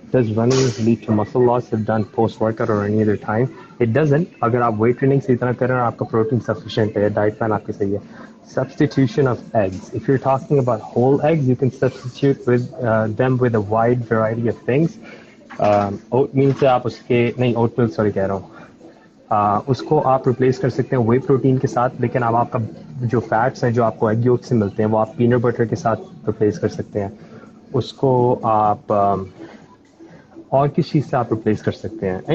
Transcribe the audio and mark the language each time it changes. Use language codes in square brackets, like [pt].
[en] Does running lead to muscle loss if done post workout or any other time? It doesn't. [hi] अगर आप weight training से इतना करें और आपका प्रोटीन सफिशियंट है, डाइट प्लान आपके सही है. [en] Substitution of eggs. If you're talking about whole eggs, you can substitute with them with a wide variety of things. [hi] Oatmeal से आप उसके नहीं oatmeal sorry कह रहा हूँ उसको आप replace कर सकते हैं whey protein के साथ, लेकिन अब आपका जो fats हैं जो आपको egg yolk से मिलते हैं वो आप peanut butter के साथ replace कर सकते हैं. उसको आप और किस चीज़ से आप रिप्लेस कर सकते हैं?